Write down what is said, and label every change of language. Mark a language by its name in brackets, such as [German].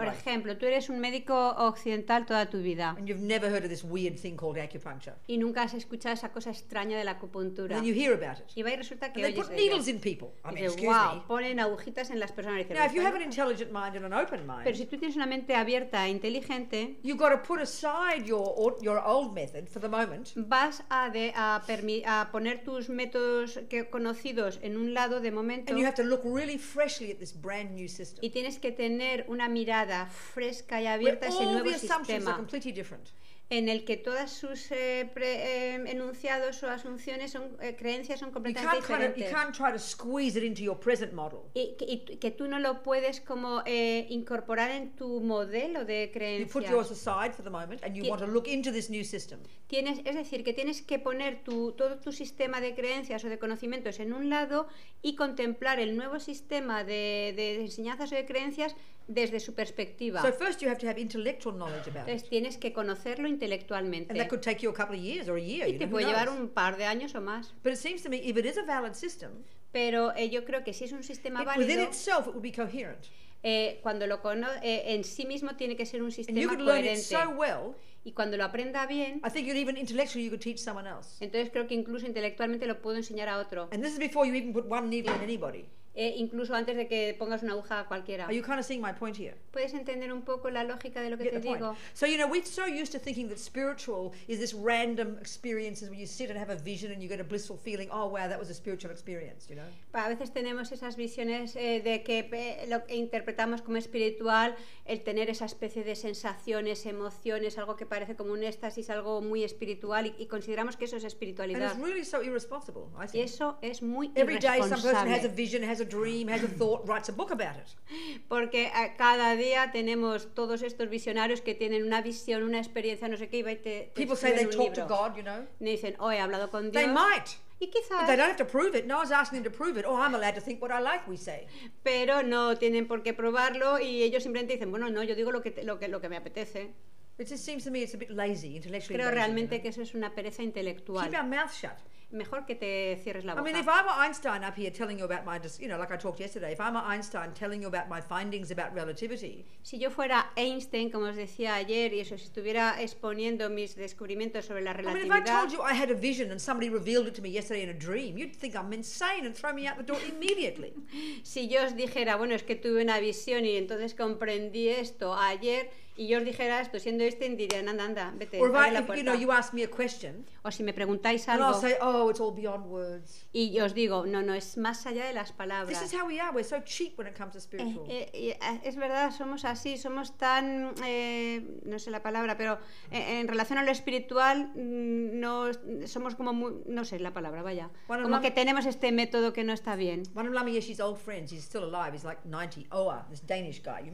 [English] life. [Spanish] Por ejemplo, tú eres un médico occidental toda tu vida. [English] And you've never heard of this weird thing called acupuncture. [Spanish] Y nunca has escuchado esa cosa extraña de la acupuntura. [English] And then you hear about it. [Spanish] Y va y resulta que oyes. [English] They put needles in people. [Spanish] Ponen agujitas en las personas. [English] Now, if you have an intelligent mind and an open mind. [Spanish] Pero si tú tienes una mente abierta e inteligente. [English] You've got to put aside your old method for the moment. [Spanish] Vas a poner tus métodos conocidos en un lado de momento. [English] And you have to look really freshly at this brand new system. [Spanish] Y tienes que tener una mirada fresca y abierta a ese nuevo sistema. [English] All the assumptions are completely different. [Spanish] En el que todas sus enunciados o asunciones son creencias son completamente diferentes. [English] You can't Kind of, you can't try to squeeze it into your present model. [Spanish] Y que tú no lo puedes como incorporar en tu modelo de creencias. [English] You put yours aside for the moment and you want to look into this new system. [Spanish] Tienes, es decir, que tienes que poner todo tu sistema de creencias o de conocimientos en un lado y contemplar el nuevo sistema de enseñanzas o de creencias desde su perspectiva. [English] So first you have to have intellectual knowledge about [Spanish] Entonces, [English] it. [Spanish] Tienes que conocerlo intelectualmente. [English] And that could take you a couple of years or a year. [Spanish] Y [English] you [Spanish] te puede llevar un par de años o más. [English] But it seems to me if it is a valid system. [Spanish] Pero yo creo que si es un sistema válido. [English] Within itself it would be coherent. [Spanish] Cuando lo en sí mismo tiene que ser un sistema [English] and you could [Spanish] coherente. [English] Learn it so well, [Spanish] y cuando lo aprenda bien. [English] I think even intellectually you could teach someone else. [Spanish] Entonces creo que incluso intelectualmente lo puedo enseñar a otro. [English] And this is before you even put one needle in anybody. [Spanish] Incluso antes de que pongas una aguja a cualquiera. [English] Are you kind of seeing my point here? [Spanish] ¿Puedes entender un poco la lógica de lo que [English] Get [Spanish] te digo? [English] So you know, we're so used to thinking that spiritual is this random experiences where you sit and have a vision and you get a blissful feeling. Oh, wow, that was a spiritual experience, you know? [Spanish] Pero a veces tenemos esas visiones de que lo que interpretamos como espiritual, el tener esa especie de sensaciones, emociones, algo que parece como un éxtasis, algo muy espiritual y consideramos que eso es espiritualidad. [English] And it's really so irresponsible, I think. [Spanish] Y eso es muy [English] Every [Spanish] irresponsable. [English] Every day some person has a vision, has a dream, has a thought, writes a book about it. [Spanish] Porque cada día tenemos todos estos visionarios que tienen una visión, una experiencia, no sé qué, y te [English] People say they talk to God, you know. [Spanish] Me dicen, oh, he hablado con Dios. [English] They might. [Spanish] Y quizás. [English] But they don't have to prove it. No one's asking them to prove it. Oh, I'm allowed to think what I like, we say. [Spanish] Pero no tienen por qué probarlo y ellos simplemente dicen, bueno, no, yo digo lo que me apetece. [English] It just seems to me it's a bit lazy, intellectually. [Spanish] Creo [English] lazy, [Spanish] realmente [English] you know? [Spanish] Que eso es una pereza intelectual. [English] Keep our mouth shut. [Spanish] Mejor que te cierres la boca. [English] I mean, if I were Einstein up here telling you about my, you know, like I talked yesterday, if I'm Einstein telling you about my findings about relativity. [Spanish] Si yo fuera Einstein, como os decía ayer, y eso, si estuviera exponiendo mis descubrimientos sobre la relatividad. [English] I mean, if I told you I had a vision and somebody revealed it to me yesterday in a dream, you'd think I'm insane and throw me out the door immediately. [Spanish] Si yo os dijera, bueno, es que tuve una visión y entonces comprendí esto ayer. Y yo os dijera esto, siendo este, dirían, anda, vete, abre la puerta. [English] You know, you ask me a question, [Spanish] o si me preguntáis algo, [English] and I'll say, oh, it's all beyond words. [Spanish] Y yo os digo, no, no, es más allá de las palabras. [English] This is how we are, we're so cheap when it comes to spiritual. [Spanish] Es verdad, somos así, somos tan, no sé la palabra, pero en relación a lo espiritual, no, somos como, muy, no sé la palabra, vaya. [English] One [Spanish] como que tenemos este método que no está bien. [English] One of Lama Yeshi's old friends, he's still alive, he's like 90, Oa, this Danish guy.